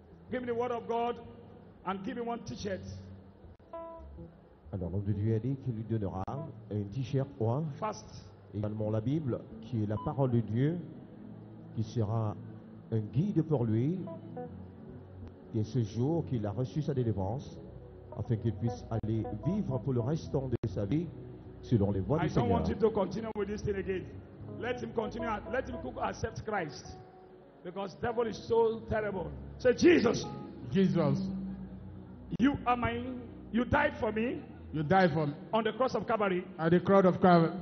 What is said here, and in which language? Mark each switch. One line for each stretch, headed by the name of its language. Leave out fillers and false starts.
English: Give me the word of God and give me one t-shirt.
French: Alors l'homme de Dieu a dit qu'il lui donnera un t-shirt ou un
English: fast.
French: Également la Bible, qui est la parole de Dieu, qui sera un guide pour lui, et ce jour qu'il a reçu sa délivrance, afin qu'il puisse aller vivre pour le restant de sa vie selon les voies du Seigneur.
English: I don't want him to continue with this thing again. Let him continue. Let him accept Christ, because the devil is so terrible. Say Jesus. Jesus. You are mine. You died for me. You died for me on the cross of Calvary. At the cross of Calvary.